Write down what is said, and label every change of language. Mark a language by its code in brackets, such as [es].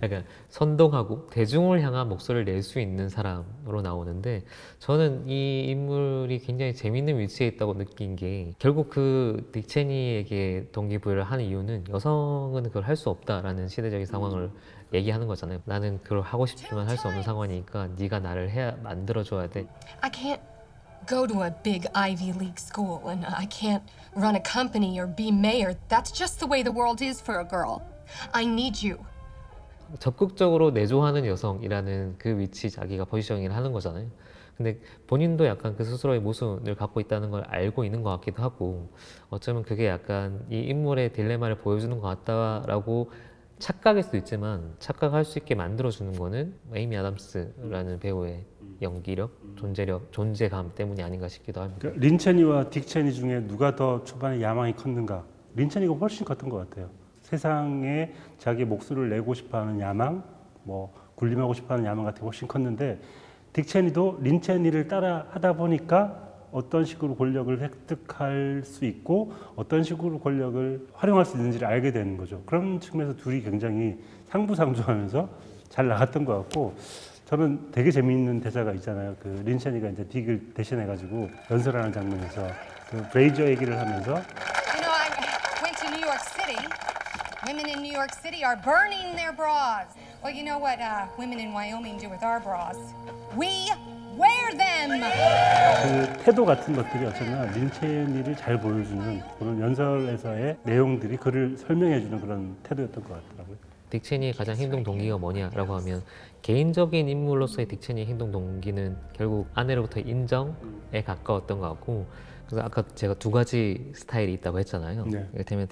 [ko] 약간 선동하고 대중을 향한 목소리를 낼 수 있는 사람으로 나오는데 저는 이 인물이 굉장히 재밌는 위치에 있다고 느낀 게 결국 그 딕 체니에게 동기부여를 하는 이유는 여성은 그걸 할 수 없다라는 시대적인 상황을 얘기하는 거잖아요. 나는 그걸 하고 싶지만 할 수 없는 상황이니까 네가 나를 해야 만들어줘야 돼. [en] I can't go to a big Ivy League school and I can't run a company or be mayor. That's just the way the world is for a girl. I need you. [ko] 적극적으로 내조하는 여성이라는 그 위치 자기가 포지셔닝을 하는 거잖아요. 근데 본인도 약간 그 스스로의 모순을 갖고 있다는 걸 알고 있는 것 같기도 하고 어쩌면 그게 약간 이 인물의 딜레마를 보여주는 것 같다라고 착각일 수도 있지만 착각할 수 있게 만들어주는 거는 에이미 아담스라는 배우의 연기력, 존재력, 존재감 때문이 아닌가 싶기도 합니다. 그러니까 린 체니와 딕 체니 중에 누가 더 초반에 야망이 컸는가? 린 체니가 훨씬 컸던 것 같아요. 세상에 자기 목소리를 내고 싶어하는 야망, 뭐 군림하고 싶어하는 야망 같은 게 훨씬 컸는데 딕 체니도 린 체니를 따라하다 보니까 어떤 식으로 권력을 획득할 수 있고 어떤 식으로 권력을 활용할 수 있는지를 알게 되는 거죠. 그런 측면에서 둘이 굉장히 상부상조하면서 잘 나갔던 것 같고 저는 되게 재미있는 대사가 있잖아요. 그 린 체니가 이제 빅을 대신해가지고 연설하는 장면에서 그 브레이저 얘기를 하면서 [en] You know, I went to New York City. Women in New York City are burning their bras. Well, you know what women in Wyoming do with our bras? We wear them! [ko] 그 태도 같은 것들이 어쩌면 린 체니를 잘 보여주는 그런 연설에서의 내용들이 그를 설명해주는 그런 태도였던 것 같더라고요. 딕 체니의 가장 행동 동기가 뭐냐라고 하면 개인적인 인물로서의 딕 체니의 행동 동기는 결국 아내로부터 인정에 가까웠던 것 같고 그래서 아까 제가 두 가지 스타일이 있다고 했잖아요. 이를테면 네.